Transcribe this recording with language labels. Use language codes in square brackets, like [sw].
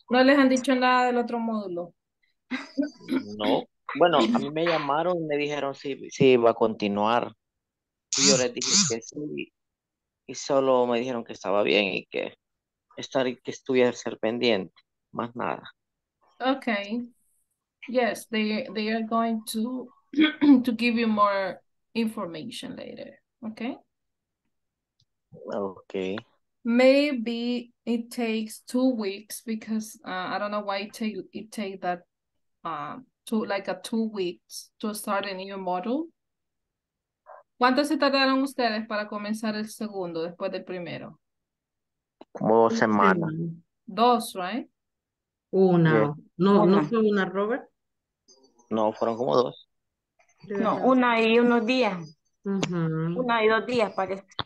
[es] No les han dicho nada del otro módulo. No. Bueno, a mí me llamaron y me dijeron si iba a continuar. Y yo les dije que sí. Y solo me dijeron que estaba bien y que estuviese pendiente. Más nada. Okay. [en] Yes, they are going to give you more information later, okay? Okay. Maybe it takes 2 weeks because I don't know why it take that like a 2 weeks to start a new model. [es] ¿Cuánto se tardaron ustedes para comenzar el segundo después del primero? Como dos semanas. Dos, right? Una. No, no fue una, Robert. No, fueron como dos. No, una y unos días. Uh-huh. Una y dos días, parece.